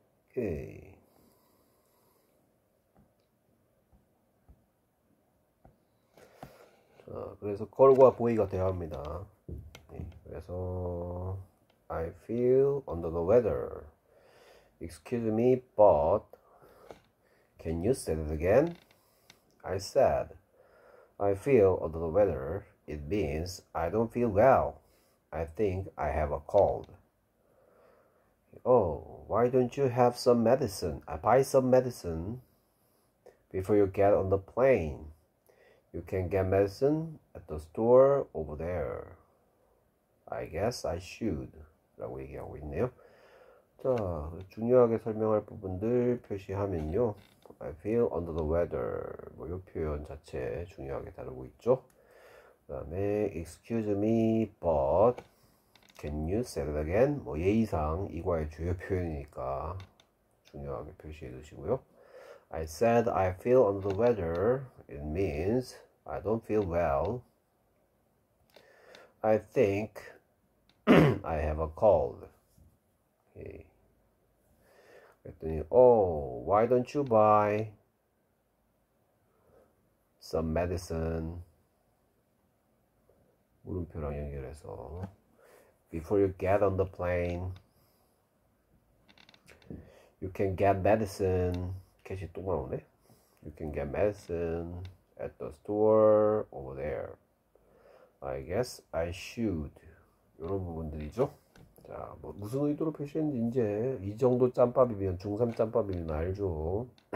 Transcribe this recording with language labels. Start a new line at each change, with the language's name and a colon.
Korean: 오케이. 자, 그래서 걸과 보이가 대화합니다.
English: 네, 그래서 I feel under the weather. Excuse me, but can you say that again? I said, I feel under the weather. It means I don't feel well. I think I have a cold. Oh, why don't you have some medicine? I buy some medicine before you get on the plane. You can get medicine at the store over there. I guess I should.
Korean: 라고 얘기하고 있네요. 자, 중요하게 설명할 부분들 표시하면요.
English: I feel under the weather.
Korean: 뭐, 요 표현 자체 중요하게 다루고 있죠. 그 다음에,
English: excuse me, but. Can you say that again?
Korean: 뭐 예의상 이과의 주요 표현이니까 중요하게 표시해 두시고요.
English: I said I feel under the weather. It means I don't feel well. I think I have a cold. 오케이. 그랬더니 Oh, why don't you buy some medicine?
Korean: 물음표랑 연결해서
English: before you get on the plane. You can get medicine.
Korean: 캐시 또 말하네.
English: You can get medicine at the store over there. I guess I should.
Korean: 이런 부분들이죠. 자, 뭐 무슨 의도로 표시했는지 이제 이 정도 짬밥이면 중3 짬밥이면 알죠.